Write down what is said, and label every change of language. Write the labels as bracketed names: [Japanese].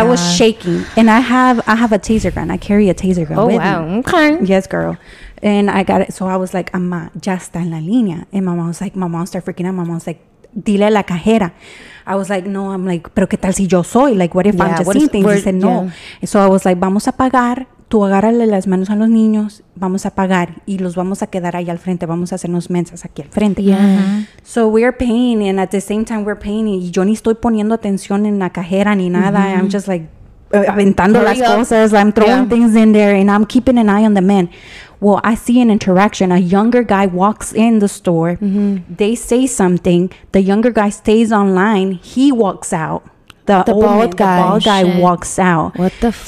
[English] I was shaking. And I have a taser gun. I carry a taser gun oh, with wow. me. Okay. Yes, girl. And I got it. So I was like, Amma, [Spanish] ya está en la línea. [English] And my mom was like, my mom started freaking out. My mom was like, [Spanish] dile a la cajera. [English] I was like, no, I'm like, [Spanish] pero qué tal si yo soy? [English] Like, what if yeah, I'm just seeing things? He said, no. [Spanish] Yeah. [English] So I was like, [Spanish] vamos a pagar. Tú agárrale las manos a los niños. Vamos a pagar. Y los vamos a quedar ahí al frente. Vamos a hacernos mensas aquí al frente. [English] Yeah. So we're paying. And at the same time, we're paying. [Spanish] Y yo ni estoy poniendo atención en la cajera ni nada. [English] Mm-hmm. I'm just like, [Spanish] aventando las cosas. [English] I'm throwing yeah. things in there. And I'm keeping an eye on the man. Well, I see an interaction. A younger guy walks in the store. Mm-hmm. They say something. The younger guy stays online. He walks out. The bald guy walks out. What the fuck?